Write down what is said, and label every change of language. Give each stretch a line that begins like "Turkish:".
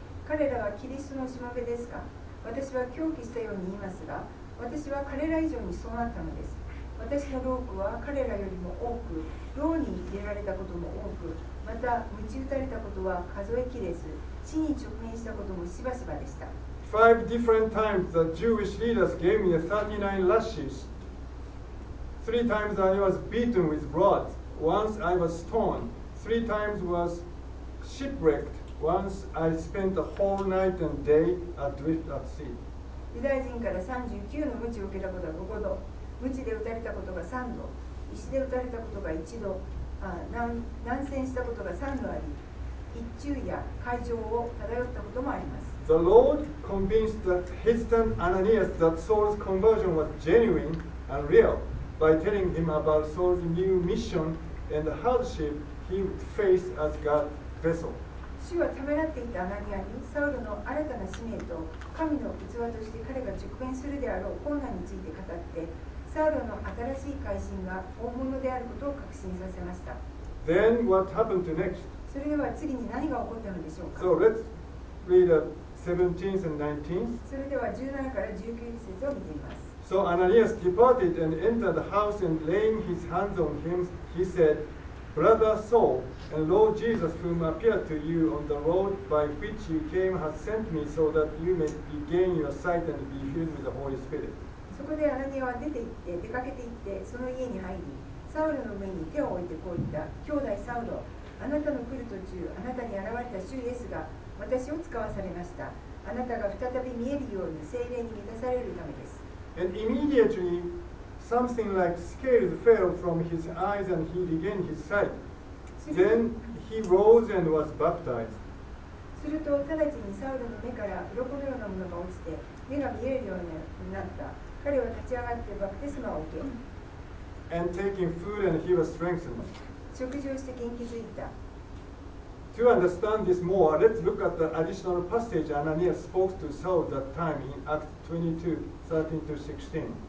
Japanese: 彼らはキリストのしもべですか？私は狂気したように言いますが、私は彼ら以上にそうなったのです。私の労苦は彼らよりも多く、牢に入れられたことも多く、また鞭打たれたことは数えきれず、死に直面したこともしばしばでした。
English: Five different times the Jewish leaders gave me 39 lashes. Three times I was beaten with rods. Once I was stoned. Three times was shipwrecked. Once I spent the whole night and day adrift at sea.
Japanese: ユダヤ人から39の鞭を受けたことは5度。鞭で打たれたことが3度。石で打たれたことが1度。難戦したことが3度あり。一昼夜海上を漂ったこともあります。
English: The Lord convinced the hesitant Ananias that Saul's conversion was genuine and real by telling him about Saul's new mission and the hardship he would face as God's vessel.
Japanese: 主はためらっていたアナニアにサウルの新たな使命と神の器として彼が直面するであろう困難について語って、サウルの新しい改心が本物であることを確信させました。
English: Then what happened to next?
Japanese: それでは次に何が起こったのでしょうか。
English: So let's read it. 17th and 19th.
Japanese: それでは17から19節を見ています。
English: So Ananias departed and entered the house and laying his hands on him, he said, Brother Saul, and Lord Jesus, whom appeared to you on the road by which you came, has sent me so that you may regain your sight and be filled with the Holy Spirit.
Japanese: そこでアナニアは出かけて行って、その家に入り、サウルの上に手を置いてこう言った。兄弟サウル、あなたの来る途中、あなたに現れた主イエスが、私を使わされました。あなたが再び見えるように聖霊に満たされるためです。
English: And immediately something like scales fell from his eyes and he regained his sight. Then he rose and was baptized.
Japanese: すると直ちにサウルの目から鱗のようなものが落ちて目が見えるようになった。彼は立ち上がってバプテスマを受け。
English: And taking food and he was strengthened.
Japanese: 食事をして元気づいた。
English: To understand this more, let's look at the additional passage Ananias spoke to Saul that time in Acts 22:13-16.